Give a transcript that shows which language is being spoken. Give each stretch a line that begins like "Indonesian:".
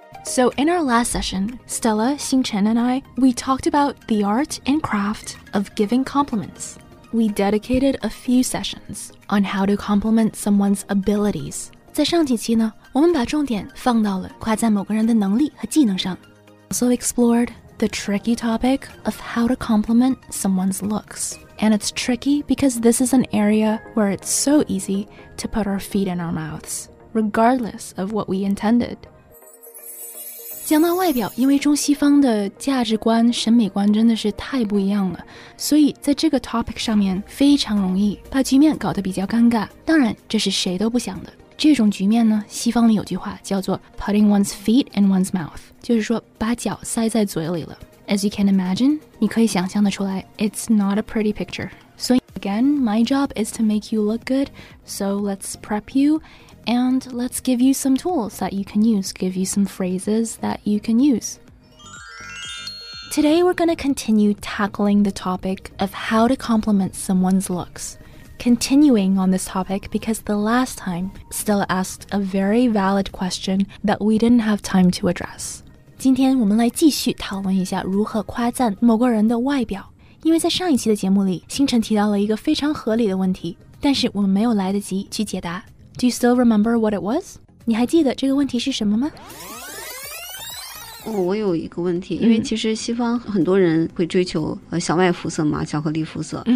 English: So in our last session, Stella, Xinchen and I, we talked about the art and craft of giving compliments. We dedicated a few sessions on how to compliment someone's abilities.
Chinese: 在上几期呢，我们把重点放到了夸赞某个人的能力和技能上。
English: Also explored the tricky topic of how to compliment someone's looks. And it's tricky because this is an area where it's so easy to put our feet in our mouths, regardless of what we intended.
Chinese: 讲到外表，因为中西方的价值观、审美观真的是太不一样了，所以在这个 topic 上面非常容易把局面搞得比较尴尬。当然，这是谁都不想的。这种局面呢，西方里有句话叫做
English: putting one's feet in one's mouth，
Chinese: 就是说把脚塞在嘴里了。
English: As you can imagine，
Chinese: 你可以想象得出来
English: ，it's not a pretty picture。所以 ，again， my job is to make you look good， so let's prep you， and let's give you some tools that you can use， give you some phrases that you can use。 Today we're going to continue tackling the topic of how to compliment someone's looks。 Continuing on this topic, because the last time, Stella asked a very valid question that we didn't have time to address.
Chinese: 今天我们来继续讨论一下如何夸赞某个人的外表。因为在上一期的节目里，星辰提到了一个非常合理的问题，但是我们没有来得及去解答。
English: Do you still remember what it was?
Chinese: 你还记得这个问题是什么吗？我有一个问题，因为其实西方很多人会追求小麦肤色嘛，巧克力肤色。